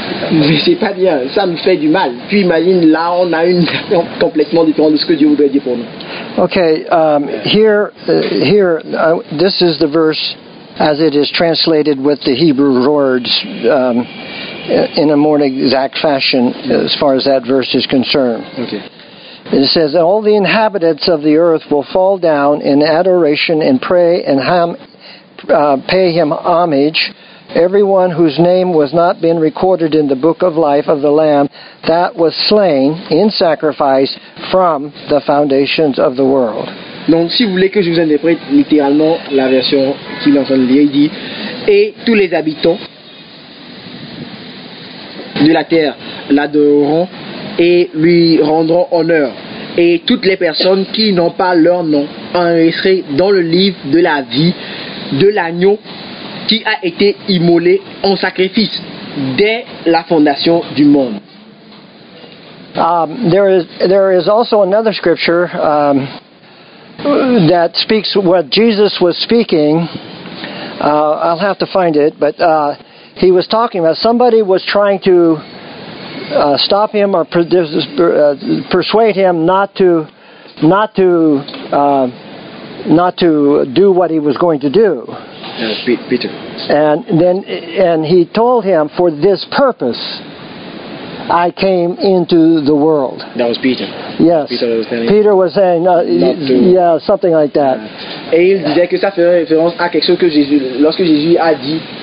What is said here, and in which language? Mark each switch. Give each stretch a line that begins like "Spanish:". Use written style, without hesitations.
French: Mais c'est pas bien, ça me fait du mal. Puis imagine, là, on a une version complètement différente de ce que Dieu voudrait dire pour nous.
English: Ok, this is the verse as it is translated with the Hebrew words in a more exact fashion as far as that verse is concerned. Okay. It says, all the inhabitants of the earth will fall down in adoration and pray and pay him homage. Everyone whose name was not been recorded in the book of life of the Lamb that was slain in sacrifice from the foundations of the world.
French: Donc, si vous voulez que je vous interprète littéralement la version qui est en train de lire, il dit, et tous les habitants de la terre l'adoreront et lui rendront honneur. Et toutes les personnes qui n'ont pas leur nom enregistrées dans le livre de la vie de l'agneau qui a été immolé en sacrifice dès la fondation du monde.
English: There is also another scripture that speaks what Jesus was speaking. I'll have to find it, but he was talking about somebody was trying to stop him or persuade him not to do what he was going to do. Peter. And he told him, for this purpose I came into the world. That was Peter. Yes. Peter was saying, something like that.
French: Et il disait que ça fait référence à quelque chose que Jésus, lorsque Jésus a dit.